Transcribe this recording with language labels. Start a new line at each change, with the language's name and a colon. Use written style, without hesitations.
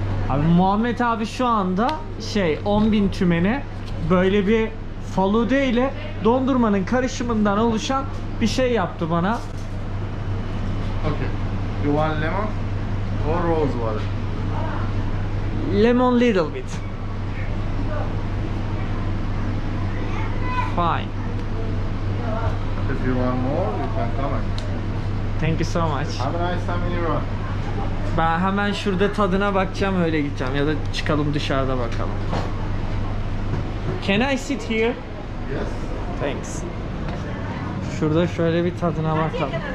Turkish: Abi Muhammed abi şu anda 10.000 tümene böyle bir falude ile dondurmanın karışımından oluşan bir şey yaptı bana.
English: Okay. You want lemon or rose water? Lemon little bit. Fine. If you want more, you can come and. Thank you so much. Have a nice time in your room.
Turkish: Ben hemen şurada tadına bakacağım, öyle gideceğim ya da çıkalım dışarıda bakalım.
English: Can I sit here? Yes. Thanks.
Turkish: Şurada şöyle bir tadına bakalım.